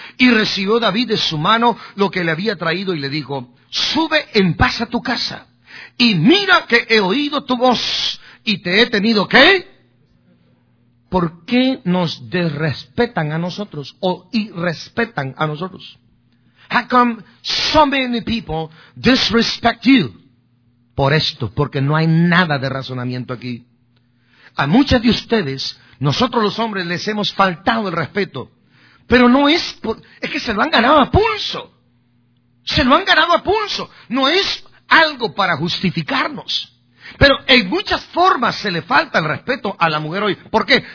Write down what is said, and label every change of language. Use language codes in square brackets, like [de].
[es] Y recibió David de su mano lo que le había traído y le dijo, sube en paz a tu casa y mira que he oído tu voz y te he tenido, ¿qué? ¿Por qué nos desrespetan a nosotros o irrespetan a nosotros? [en] How come so many people disrespect you? [es] Por esto, porque no hay nada de razonamiento aquí. A muchas de ustedes, nosotros los hombres les hemos faltado el respeto. Pero no es, es que se lo han ganado a pulso. Se lo han ganado a pulso. No es algo para justificarnos. Pero en muchas formas se le falta el respeto a la mujer hoy. ¿Por qué?